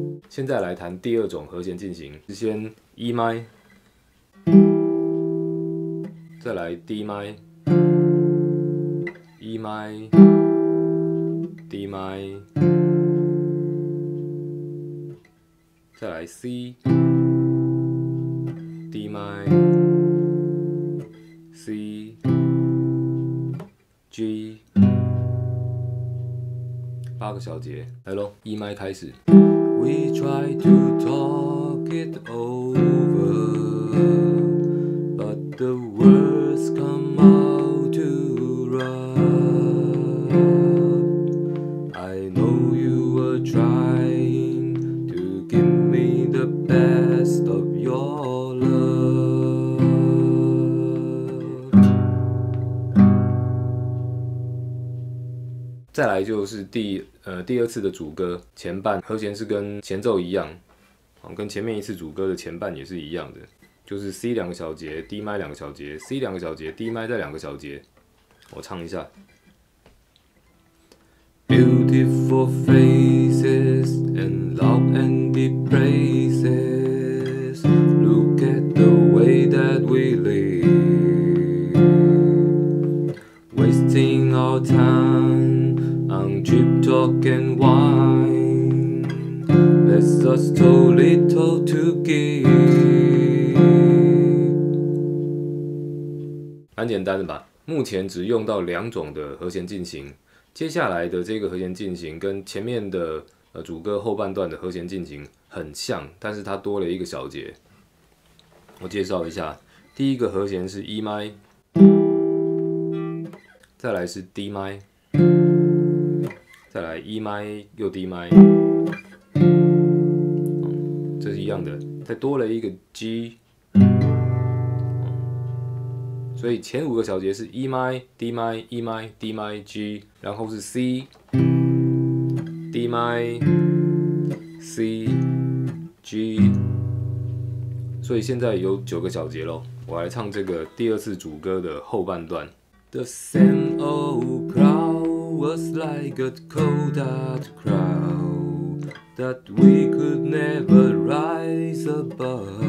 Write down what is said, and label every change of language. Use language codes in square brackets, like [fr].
[zh] 现在来弹第二种和弦进行，先 E minor， 再来 D minor，E minor，D minor， 再来 C，D minor，C，G。八个小节，来咯，E minor开始。 [en] We try to talk it over，but the words come out too rough。I know you were trying to give me the best of your love。 [zh] 再来就是第二次的主歌前半和弦是跟前奏一样，跟前面一次主歌的前半也是一样的，就是 C 两个小节 ，D minor 两个小节 ，C 两个小节 ，D minor 再两个小节。我唱一下。 [en] Beautiful faces and love and the praises. Look at the way that we live, wasting our time. Cheap talk and wine Let's just too little to give [zh] 蛮简单的吧，目前只用到两种的和弦进行，接下来的这个和弦进行跟前面的主歌后半段的和弦进行很像，但是它多了一个小节。我介绍一下，第一个和弦是 E minor， 再来是 D minor，再来 E minor 又 D minor，这是一样的，再多了一个 G。所以前五个小节是 E mi D mi E mi D mi G， 然后是 C D mi C G。所以现在有九个小节喽，我来唱这个第二次主歌的后半段。 [en] The same old crowd was like a cold dead crowd that we could never rise above.